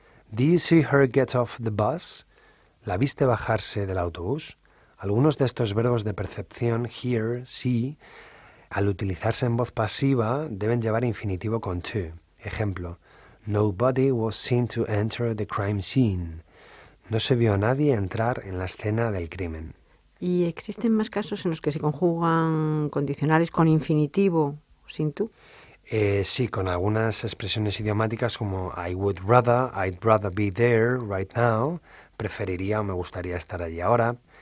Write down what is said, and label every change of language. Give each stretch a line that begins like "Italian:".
English: Did you see her get off the bus?
Spanish: ¿La viste bajarse del autobús? Algunos de estos verbos de percepción, hear, see, al utilizarse en voz pasiva, deben llevar infinitivo con to. Ejemplo,
English: nobody was seen to enter the crime scene.
Spanish: No se vio a nadie entrar en la escena del crimen. ¿Y existen más casos en los que se conjugan condicionales con infinitivo sin to? Sí, con algunas expresiones idiomáticas como
English: I would rather, I'd rather be there right now,
Spanish: preferiría o me gustaría estar allí ahora.